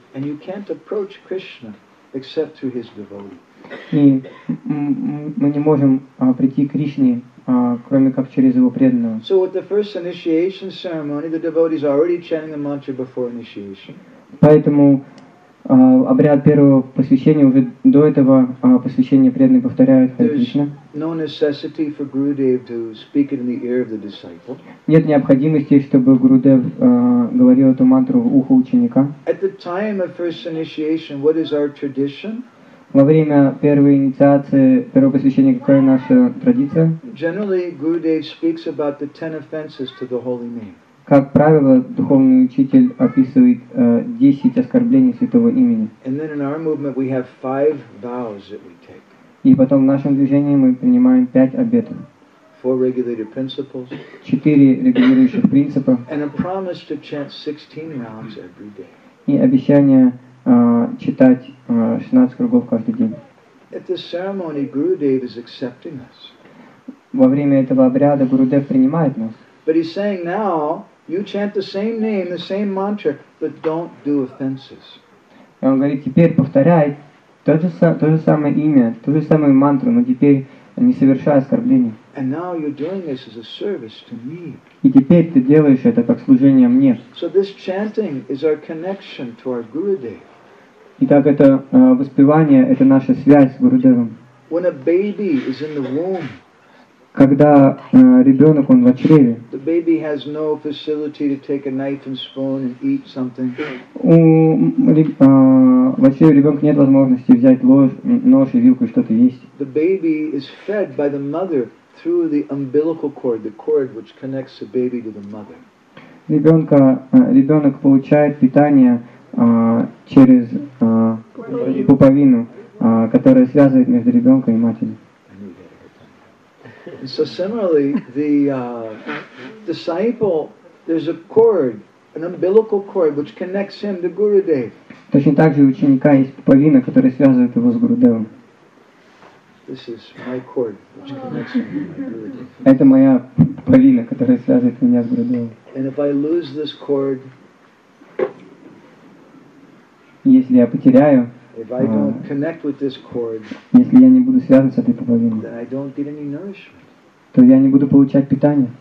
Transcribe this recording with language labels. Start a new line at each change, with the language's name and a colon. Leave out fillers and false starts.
English: And you can't approach Krishna except through his devotee.
Russian: И мы не можем прийти к Кришне, кроме как через его преданного.
English: So with the first initiation ceremony, the devotee is already chanting the mantra before initiation.
Russian: Поэтому обряд первого посвящения уже до этого посвящения преданный повторяет Hare Krishna.
English: No necessity for Gurudev to speak it in the ear of the disciple.
Russian: Нет необходимости, чтобы Гурудев говорил эту мантру в ухо ученика.
English: At the time of first initiation, what is our tradition?
Russian: Во время первой инициации, первого посвящения, какая наша традиция?
English: Generally, Gurudev speaks about the 10 offenses to the holy name.
Russian: Как правило, духовный учитель описывает 10 оскорблений святого имени.
English: And then in our movement, we have 5 vows that we take.
Russian: И потом в нашем движении мы принимаем 5 обетов.
English: 4 regulated principles.
Russian: 4 регулирующих принципа.
English: And a promise to chant 16 rounds every day.
Russian: И обещание читать 16 кругов каждый день.
English: At this ceremony, Gurudev is accepting us.
Russian: Во время этого обряда Гурудев принимает нас.
English: But he's saying now, you chant the same name, the same mantra, but don't do offenses.
Russian: И он говорит, теперь повторяй. То же самое имя, ту же самую мантру, но теперь не совершая оскорблений.
English: And now you're doing this as a service to me.
Russian: И теперь ты делаешь это как служение мне.
English: So this chanting is our connection to our Gurudev.
Russian: Итак, это воспевание, это наша связь с Гурудевом.
English: When a baby is in the womb,
Russian: когда ребенок, он в чреве.
English: The baby has no facility to take a knife and spoon and eat something.
Russian: В чреве ребенка нет возможности взять нож и вилку и что-то есть.
English: The baby is fed by the mother through the umbilical cord, the cord which connects the baby to the mother.
Russian: Ребенок получает питание через пуповину, которая связывает между ребенком и матерью.
English: And so similarly, the disciple, there's a cord, an umbilical cord, which connects him to Gurudev.
Russian: Точно так же у ученика есть пуповина, которая связывает его с Гурудевом.
English: This is my cord, which connects him to Gurudev.
Russian: Это моя Правина, которая связывает меня с Гурудевом.
English: And if I lose this cord,
Russian: если я потеряю,
English: if I don't connect with this cord,
Russian: если я не буду связан с этой пуповиной,
English: then I don't get any nourishment,
Russian: то я не буду получать питание.